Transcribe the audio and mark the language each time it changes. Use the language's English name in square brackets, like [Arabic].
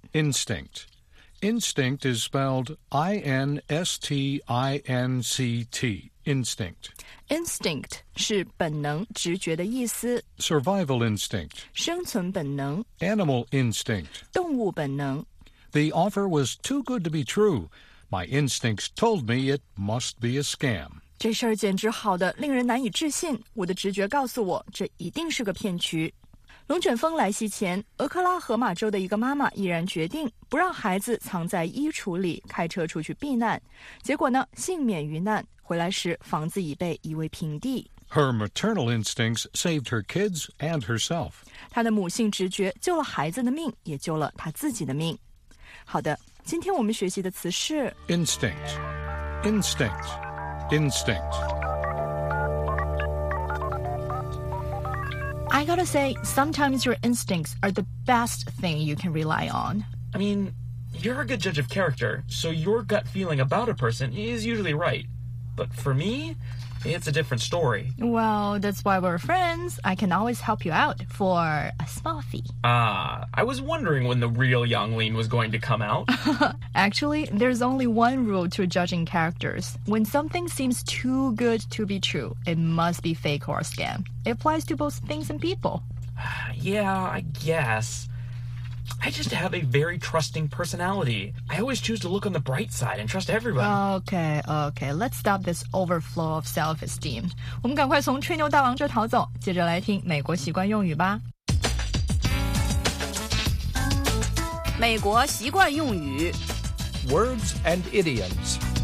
[English] Instinct. Instinct is spelled I-N-S-T-I-N-C-T. Instinct. [Chinese] Instinct 是本能、直觉的意思。 [English] Survival instinct [Chinese] 生存本能。 [English] Animal instinct [Chinese] 动物本能。 [English] The offer was too good to be true. My instincts told me it must be a scam. [Chinese] 这事儿简直好的令人难以置信。我的直觉告诉我，这一定是个骗局。龙卷风来袭前，俄克拉荷马州的一个妈妈毅然决定不让孩子藏在衣橱里，开车出去避难。结果呢，幸免于难。回来时，房子已被夷为平地。 [English] Her maternal instincts saved her kids and herself. [Chinese] 她的母性直觉救了孩子的命，也救了她自己的命。好的，今天我们学习的词是 [English] instinct, instinct, instinct. I gotta say, sometimes your instincts are the best thing you can rely on. I mean, you're a good judge of character, so your gut feeling about a person is usually right. But for me, it's a different story. Well, that's why we're friends. I can always help you out for a small fee. Ah, I was wondering when the real Yang Lin was going to come out. Actually, there's only one rule to judging characters. When something seems too good to be true, it must be fake or a scam. It applies to both things and people. Yeah, I guess. I just have a very trusting personality. I always choose to look on the bright side and trust everybody. Okay, okay. Let's stop this overflow of self-esteem. [Chinese] 我们赶快从吹牛大王这逃走，接着来听美国习惯用语吧。美国习惯用语 [English] Words and idioms.